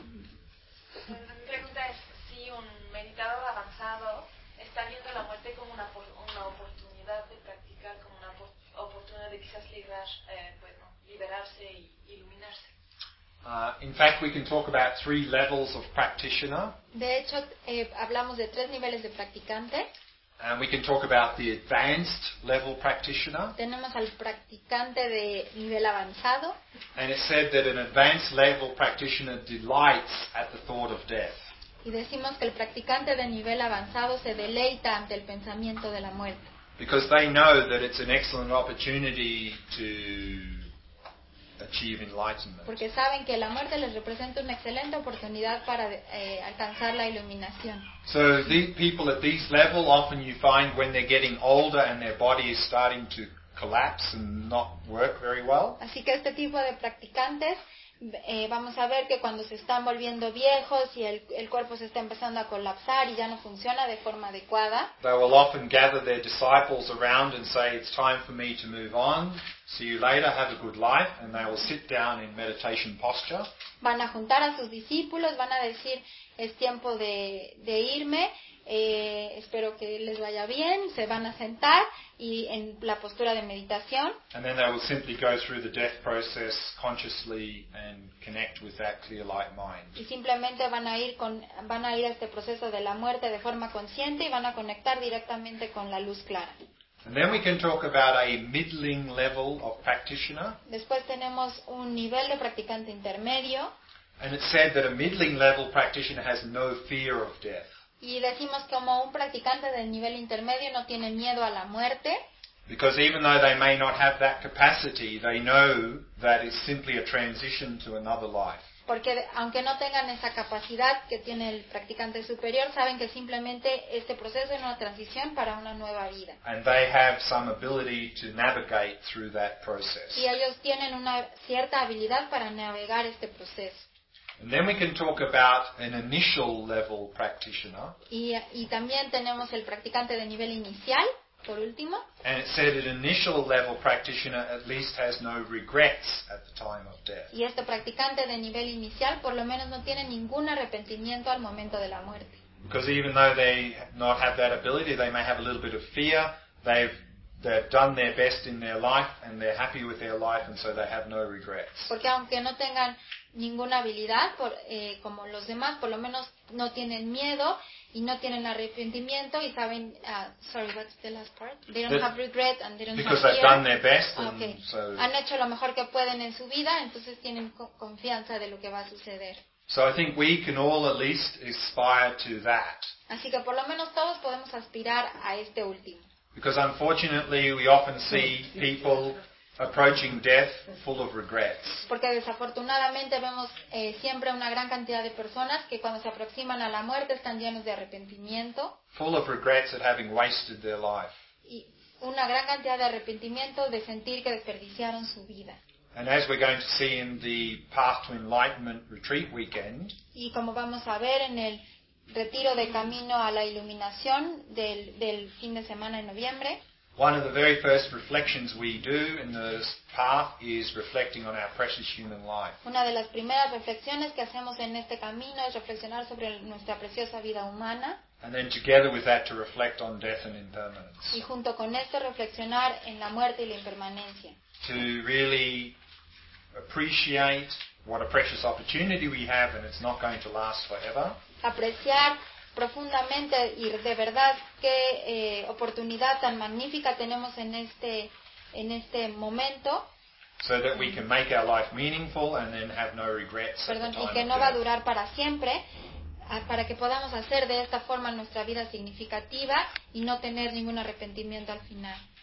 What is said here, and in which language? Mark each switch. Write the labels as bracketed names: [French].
[Spanish] Mi pregunta es si un meditador avanzado está viendo la muerte como una oportunidad de practicar, como una oportunidad de quizás librar bueno. [English] In fact, we can talk about 3 levels of practitioner. [Spanish] De hecho, hablamos de 3 niveles de practicante. [English] And we can talk about the advanced level practitioner. [Spanish] Tenemos al practicante de nivel avanzado. [English] And it's said that an advanced level practitioner delights at the thought of death. [Spanish] y decimos que el practicante de nivel avanzado se deleita ante el pensamiento de la muerte. [English] Because they know that it's an excellent opportunity to achieve enlightenment. [Spanish] Porque saben que la muerte les representa una excelente oportunidad para alcanzar la iluminación. [English] So these people at this level, often you find when they're getting older and their body is starting to collapse and not work very well. [Spanish] Así que este tipo de practicantes vamos a ver que cuando se están volviendo viejos y el cuerpo se está empezando a colapsar y ya no funciona de forma adecuada. [English] They will often gather their disciples around and say, "It's time for me to move on. See you later. Have a good life." And they will sit down in meditation posture. [Spanish] Van a juntar a sus discípulos, van a decir, "Es tiempo de irme. Espero que les vaya bien." Se van a sentar y en la postura de meditación. [English] And then they will simply go through the death process consciously and connect with that clear light mind. [Spanish] Y simplemente van a ir a este proceso de la muerte de forma consciente y van a conectar directamente con la luz clara. [English] And then we can talk about a middling level of practitioner. [Spanish] Después tenemos un nivel de practicante intermedio. [English] And it's said that a middling level practitioner has no fear of death. [Spanish] Y decimos que como un practicante de nivel intermedio no tiene miedo a la muerte. [English] Because even though they may not have that capacity, they know that it's simply a transition to another life. [Spanish] Porque aunque no tengan esa capacidad que tiene el practicante superior, saben que simplemente este proceso es una transición para una nueva vida. [English] And they have some ability to navigate through that process. [Spanish] Y ellos tienen una cierta habilidad para navegar este proceso. [English] And then we can talk about an initial level practitioner. [Spanish] Y también tenemos el practicante de nivel inicial, por último. [English] And it said an initial level practitioner at least has no regrets at the time of death. [Spanish] Y este practicante de nivel inicial por lo menos no tiene ningún arrepentimiento al momento de la muerte. [English] Because even though they not have that ability, they may have a little bit of fear. They've done their best in their life and they're happy with their life and so they have no regrets. [Spanish] Porque aunque no tengan ninguna habilidad como los demás, por lo menos no tienen miedo y no tienen arrepentimiento y saben [English] what's the last part? They don't have regret and they don't because have they've done their best and okay. So [Spanish] han hecho lo mejor que pueden en su vida, entonces tienen confianza de lo que va a suceder. [English] So I think we can all at least aspire to that. [Spanish] Así que por lo menos todos podemos aspirar a este último. [English] Because unfortunately we often see people approaching death full of regrets. [Spanish] Porque desafortunadamente vemos siempre una gran cantidad de personas que cuando se aproximan a la muerte están llenos de arrepentimiento. [English] Full of regrets at having wasted their life. [Spanish] Y una gran cantidad de arrepentimiento de sentir que desperdiciaron su vida. [English] And as we're going to see in the Path to Enlightenment retreat weekend. [Spanish] Y como vamos a ver en el retiro de camino a la iluminación del fin de semana en noviembre. [English] One of the very first reflections we do in this path is reflecting on our precious human life. [Spanish] Una de las primeras reflexiones que hacemos en este camino es reflexionar sobre nuestra preciosa vida humana. [English] And then together with that to reflect on death and impermanence. [Spanish] Y junto con esto reflexionar en la muerte y la impermanencia. [English] To really appreciate what a precious opportunity we have and it's not going to last forever. [Spanish] Apreciar profundamente y de verdad qué oportunidad tan magnífica tenemos en este momento. [English] So that we can make our life meaningful and then have no regrets. [Spanish] Perdón, [English] at the time [Spanish] y que [English] of [Spanish] no [English] death. [Spanish] Va a durar para siempre, para que podamos hacer de esta forma nuestra vida significativa y no tener ningún arrepentimiento al final.